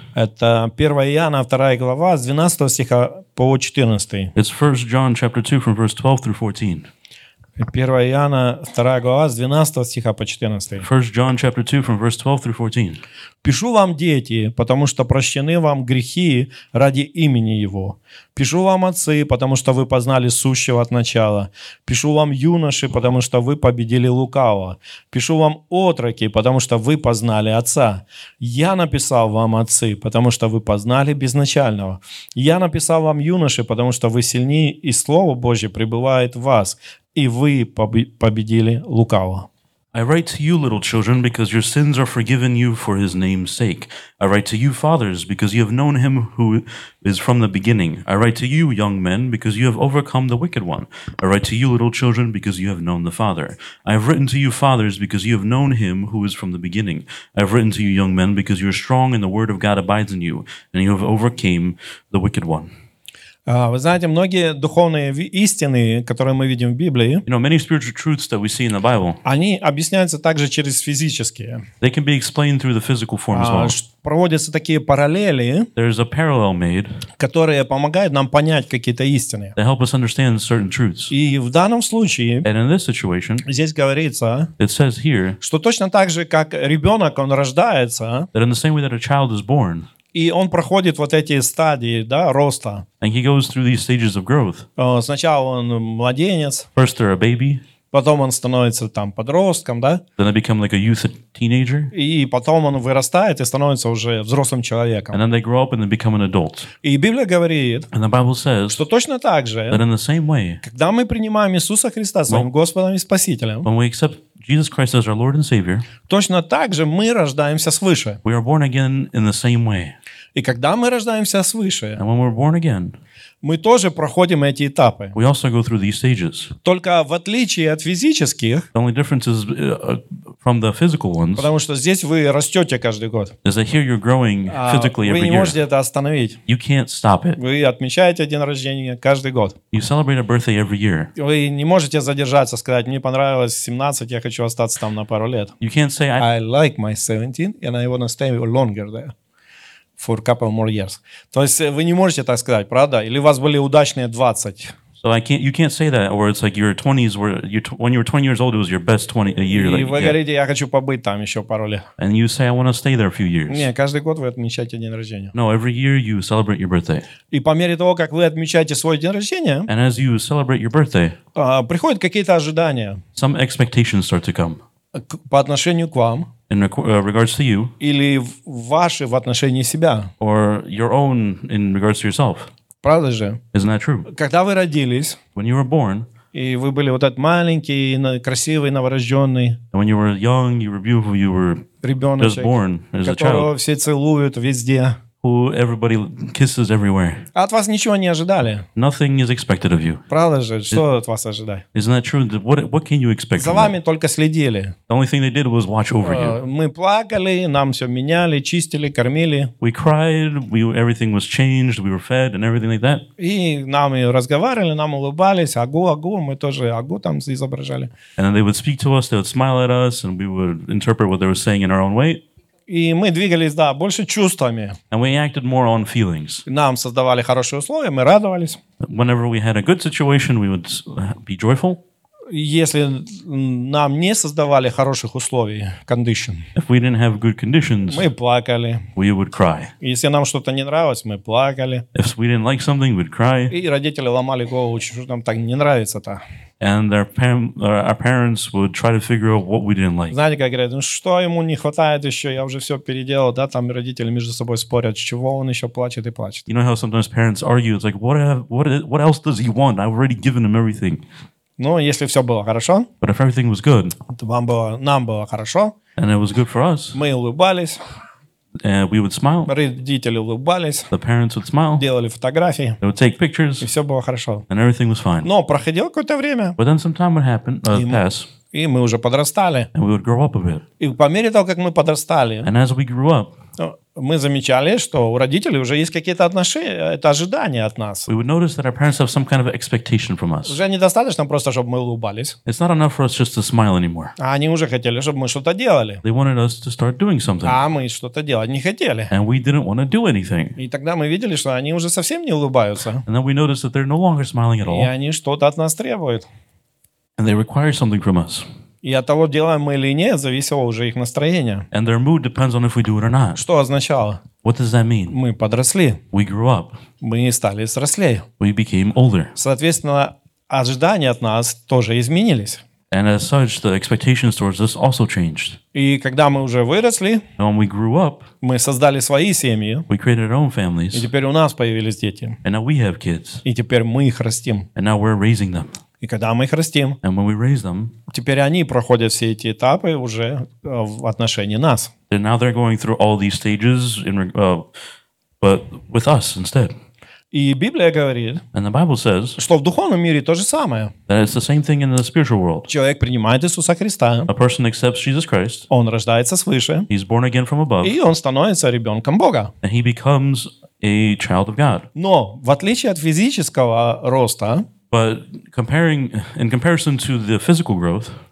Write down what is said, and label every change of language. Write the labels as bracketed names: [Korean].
[Russian] Это 1 Иоанна 2 глава с 12 стиха по 14. [English] It's 1 John chapter 2 from verse 12 through 14. [Russian] 1 Иоанна 2 глава с 12 стиха по 14. [English] 1 John chapter 2 from verse 12 through 14. [Russian] Пишу вам, дети, потому что прощены вам грехи ради имени Его. Пишу вам, отцы, потому что вы познали сущего от начала. Пишу вам, юноши, потому что вы победили лукавого. Пишу вам, отроки, потому что вы познали отца. Я написал вам, отцы, потому что вы познали безначального. Я написал вам, юноши, потому что вы сильны, и Слово Божье пребывает в вас, и вы победили лукавого. [English] I write to you, little children, because your sins are forgiven you for his name's sake. I write to you, fathers, because you have known him who is from the beginning. I write to you, young men, because you have overcome the wicked one. I write to you, little children, because you have known the Father. I have written to you, fathers, because you have known him who is from the beginning. I have written to you, young men, because you are strong and the word of God abides in you, and you have overcame the wicked one. [Russian] Вы знаете, многие духовные истины, которые мы видим в Библии, [English] you know, many spiritual truths that we see in the Bible, [Russian] они объясняются также через физические. [English] They can be explained through the physical form as well. [Russian] Проводятся такие параллели, [English] there is a parallel made, [Russian] которые помогают нам понять какие-то истины. [English] They help us understand certain truths. [Russian] И в данном случае, [English] and in this situation, [Russian] здесь говорится, [English] it says here, [Russian] что точно так же, как ребенок, он рождается, [English] that in the same way that a child is born, [Russian] и он проходит вот эти стадии, да, роста. [English] And he goes through these stages of growth. [Russian] Сначала он младенец. [English] First they're a baby. [Russian] Потом он становится там подростком, да? [English] Then they become like a youth teenager. [Russian] И потом он вырастает и становится уже взрослым человеком. [English] And then they grow up and they become an adult. [Russian] И Библия говорит, [English] and the Bible says, [Russian] что точно так же, [English] that in the same way, [Russian] когда мы принимаем Иисуса Христа своим [English] when, [Russian] Господом и Спасителем, [English] when we accept Jesus Christ as our Lord and Savior, [Russian] точно так же мы рождаемся свыше. [English] We are born again in the same way. [Russian] И когда мы рождаемся свыше, [English] and when we're born again, [Russian] мы тоже проходим эти этапы. [English] We also go through these stages. [Russian] Только в отличие от физических, [English] the only difference is, from the physical ones, [Russian] потому что здесь вы растете каждый год. [English] Is that here you're growing physically every year. [Russian] Вы не можете это остановить. [English] You can't stop it. [Russian] Вы отмечаете день рождения каждый год. [English] You celebrate a birthday every year. [Russian] Вы не можете задержаться, сказать, мне понравилось 17, я хочу остаться там на пару лет. [English] You can't say, I like my 17 and I want to stay longer there. For a couple more years. [Russian] То есть вы не можете так сказать, правда? Или у вас были удачные 20? [English] So I can't, you can't say that, or it's like your 20s were, your, when you were 20 years old, it was your best 20 a year. [Russian] И [English] like, [Russian] вы [English] yeah. [Russian] говорите, я хочу побыть там еще пару лет. [English] And you say, I want to stay there a few years. [Russian] Не, каждый год вы отмечаете день рождения. [English] No, every year you celebrate your birthday. [Russian] И по мере того, как вы отмечаете свой день рождения, [English] and as you celebrate your birthday, [Russian] приходят какие-то ожидания. [English] Some expectations start to come. [Russian] По отношению к вам. [English] In regards to you, [Russian] или ваши в отношении себя. [English] Or your own in regards to yourself. [Russian] Правда же? [English] Isn't that true? [Russian] Когда вы родились, [English] when you were born, [Russian] и вы были вот этот маленький, красивый, новорожденный, [English] when you were young, you were beautiful, you were [Russian] ребеночек, [English] just born as a child, [Russian] которого все целуют везде, [English] who everybody kisses everywhere. [Russian] От вас ничего не ожидали. [English] Nothing is expected of you. [Russian] Правда же, что от вас ожидать? [English] Isn't that true? What can you expect? [Russian] За вами только следили. [English] The only thing they did was watch over you. [Russian] Мы плакали, нам все меняли, чистили, кормили. [English] We cried, everything was changed, we were fed and everything like that. [Russian] И нам и разговаривали, нам улыбались, агу, агу, мы тоже агу там изображали. [English] And then they would speak to us, they would smile at us and we would interpret what they were saying in our own way. [Russian] И мы двигались, да, больше чувствами. [English] And we acted more on feelings. [Russian] Нам создавали хорошие условия, мы радовались. [English] Whenever we had a good situation, we would be joyful. [Russian] Если нам не создавали хороших условий, [English] condition, if we didn't have good conditions, [Russian] мы плакали. [English] We would cry. [Russian] Если нам что-то не нравилось, мы плакали. [English] If we didn't like something, we'd cry. [Russian] И родители ломали голову, что нам так не нравится-то. [English] And our parents would try to figure out what we didn't like. [Russian] Знаете, как говорят, ну что ему не хватает еще? Я уже все переделал, да? Там родители между собой спорят, чего он еще плачет и плачет. [English] You know how sometimes parents argue? It's like, what else does he want? I've already given him everything. [Russian] Ну, если все было хорошо, [English] but if everything was good, [Russian] то нам было хорошо, [English] and it was good for us, [Russian] мы улыбались, [English] We would smile. [Russian] Родители улыбались. [English] The parents would smile. [Russian] Делали фотографии. [English] They would take pictures. [Russian] И все было хорошо. [English] And everything was fine. [Russian] Но проходило какое-то время. [English] But then some time would happen, pass. [Russian] И мы уже подрастали. [English] And we would grow up a bit. [Russian] И по мере того, как мы подрастали. [English] And as we grew up. [Russian] Мы замечали, что у родителей уже есть какие-то отношения, это ожидания от нас. [English] We would notice that our parents have some kind of expectation from us. [Russian] Уже недостаточно просто, чтобы мы улыбались. [English] It's not enough for us just to smile anymore. [Russian] А они уже хотели, чтобы мы что-то делали. [English] They wanted us to start doing something. [Russian] А мы что-то делать не хотели. [English] And we didn't want to do anything. [Russian] И тогда мы видели, что они уже совсем не улыбаются. [English] And then we noticed that they're no longer smiling at all. [Russian] И они что-то от нас требуют. [English] And they require something from us. [Russian] И от того, делаем мы или нет, зависело уже их настроение. [English] And their mood depends on if we do it or not. [Russian] Что означало? [English] What does that mean? [Russian] Мы подросли. [English] We grew up. [Russian] Мы стали взрослее. [English] We became older. [Russian] Соответственно, ожидания от нас тоже изменились. [English] And as such, the expectations towards us also changed. [Russian] И когда мы уже выросли, [English] And when we grew up, [Russian] мы создали свои семьи. [English] We created our own families. [Russian] И теперь у нас появились дети. [English] And now we have kids. [Russian] И теперь мы их растим. [English] And now we're raising them. [Russian] И когда мы их растим, [English] And when we raise them, [Russian] теперь они проходят все эти этапы уже в отношении нас. [English] And now they're going through all these stages, but with us instead. [Russian] И Библия говорит, [English] And the Bible says, [Russian] что в духовном мире то же самое. [English] That it's the same thing in the spiritual world. [Russian] Человек принимает Иисуса Христа. [English] A person accepts Jesus Christ. [Russian] Он рождается свыше. [English] He's born again from above. [Russian] И он становится ребенком Бога. [English] And he becomes a child of God. [Russian] Но в отличие от физического роста, [English] But in comparison to the physical growth,